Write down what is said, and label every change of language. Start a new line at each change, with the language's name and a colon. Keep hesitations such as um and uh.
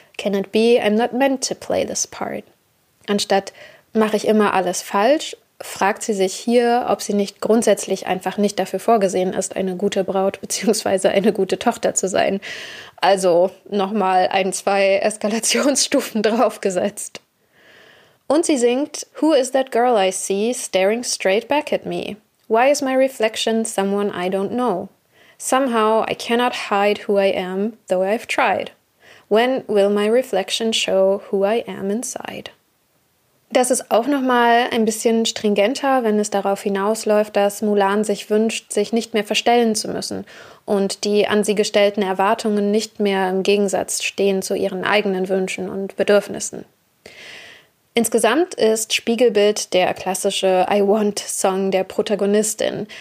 English: Can be I'm not meant to play this part?
German: Anstatt mache ich immer alles falsch fragt sie sich hier, ob sie nicht grundsätzlich einfach nicht dafür vorgesehen ist, eine gute Braut bzw. eine gute Tochter zu sein. Also nochmal ein, zwei Eskalationsstufen draufgesetzt. Und sie singt,
English: Who is that girl I see staring straight back at me? Why is my reflection someone I don't know? Somehow I cannot hide who I am, though I've tried. When will my reflection show who I am inside?
German: Das ist auch noch mal ein bisschen stringenter, wenn es darauf hinausläuft, dass Mulan sich wünscht, sich nicht mehr verstellen zu müssen und die an sie gestellten Erwartungen nicht mehr im Gegensatz stehen zu ihren eigenen Wünschen und Bedürfnissen. Insgesamt ist Spiegelbild der klassische I Want Song der Protagonistin.